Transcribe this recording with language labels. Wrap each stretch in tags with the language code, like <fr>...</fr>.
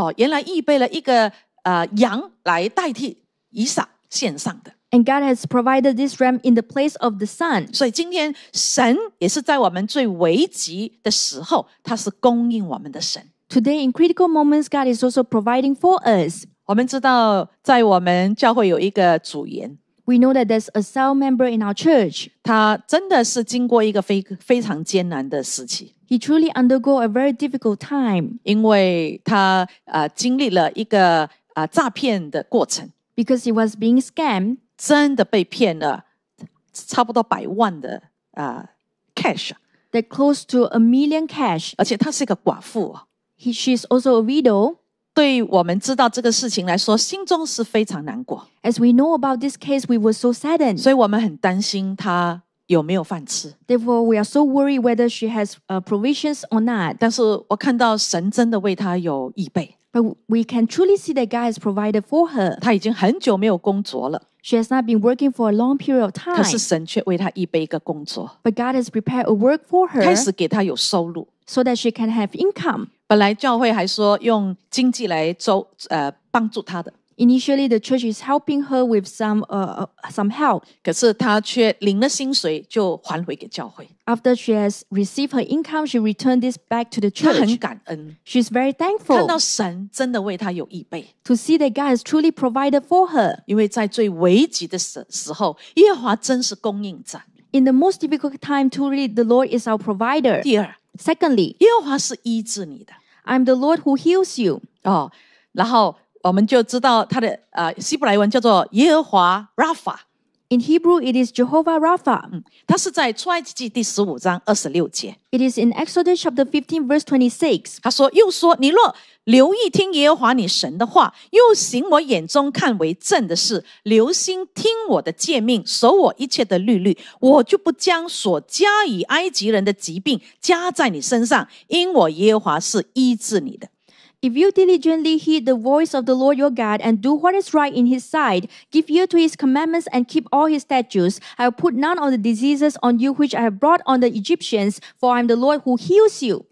<zh>原来预备了一个羊来代替以撒献上的。</zh> <en>And God has provided this ram in the place of the son.</en> <zh>所以今天神也是在我们最危急的时候，他是供应我们的神。</zh> <en>Today in critical moments, God is also providing for us.</en> <zh>我们知道在我们教会有一个组员。</zh> <en>We know that there's a cell member in our church.</en> <zh>他真的是经过一个非常艰难的时期。</zh> <en>He truly undergo a very difficult time.</en> <zh>因为他经历了一个诈骗的过程。</zh> <en>Because he was being scammed.</en> <zh>真的被骗了差不多百万的cash.</zh> <en>That close to a million cash.</en> <zh>而且他是一个寡妇。</zh> <en>She's also a widow.</en> <zh>对我们知道这个事情来说，心中是非常难过。</zh> <en>As we know about this case, we were so saddened.</en> <zh>所以我们很担心她有没有饭吃。</zh> <en>Therefore, we are so worried whether she has provisions or not.</en> <zh>但是我看到神真的为她有预备。</zh> <en>But we can truly see that God has provided for her.</en> <zh>她已经很久没有工作了。</zh> <en>She has not been working for a long period of time.</en> <zh>可是神却为她预备一个工作。</zh> <en>But God has prepared a work for her.</en> <zh>开始给她有收入。</zh> <en>So that she can have income.</en> <zh>本来教会还说用经济来帮助她的。</zh> <en>Initially, the church is helping her with some help.</en> <zh>可是她却领了薪水就还回给教会。</zh> <en>After she has received her income, she returned this back to the church.</en> <zh>她很感恩。</zh> <en>She's very thankful.</en> <zh>看到神真的为她有预备。</zh> <en>To see that God has truly provided for her.</en> <zh>因为在最危急的时候，耶和华真是供应者。</zh> <en>In the most difficult time, truly, the Lord is our provider.</en> <zh>第二。</zh> <en>Secondly,</en> <zh>耶和华是医治你的。</zh> <en>I'm the Lord who heals you.</en> <zh>哦，然后我们就知道他的希伯来文叫做耶和华 Rapha.</zh> <en>In Hebrew, it is Jehovah Rapha.</en> <zh>他是在出埃及记第十五章二十六节。</zh> <en>It is in Exodus chapter 15, verse 26.</en> <zh>他说：“又说，你若留意听耶和华你神的话，又行我眼中看为正的事，留心听我的诫命，守我一切的律例，我就不将所加以埃及人的疾病加在你身上，因我耶和华是医治你的。”</zh> <en>If you diligently heed the voice of the Lord your God and do what is right in His sight, give ear to His commandments and keep all His statutes, I will put none of the diseases on you which I have brought on the Egyptians, for I am the Lord who heals you.</en>